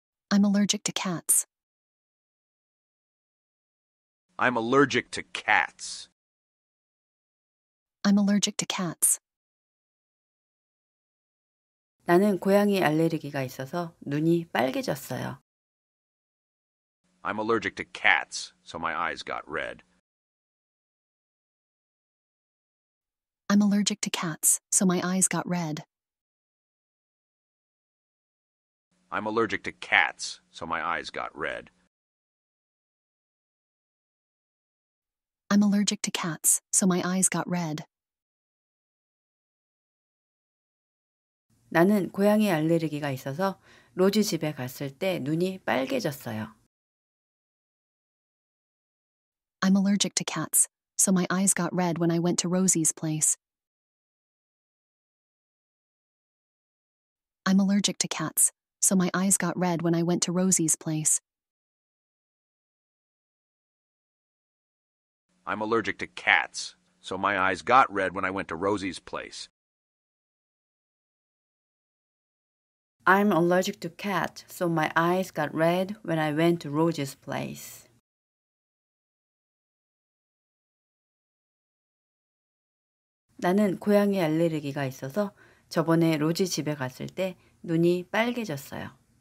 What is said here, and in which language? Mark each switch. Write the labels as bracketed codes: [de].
[en] I'm allergic to cats. I'm allergic to cats. I'm allergic to cats. [ko] 나는 고양이 알레르기가 있어서 눈이 빨개졌어요. [en] I'm allergic to cats, so my eyes got red. I'm allergic to cats, so my eyes got red. I'm allergic to cats, so my eyes got red. I'm allergic to cats, so my eyes got red. [ko] 나는 고양이 알레르기가 있어서 로지 집에 갔을 때 눈이 빨개졌어요. [en] I'm allergic to cats, so my eyes got red when I went to Rosie's place. I'm allergic to cats, so my eyes got red when I went to Rosie's place. I'm allergic to cats, so my eyes got red when I went to Rosie's place. I'm allergic to cats, so my eyes got red when I went to Rosie's place. I'm allergic to cats, so my eyes got red when I went to Rosie's place. [ko] 나는 고양이 알레르기가 있어서 저번에 로지 집에 갔을 때 눈이 빨개졌어요.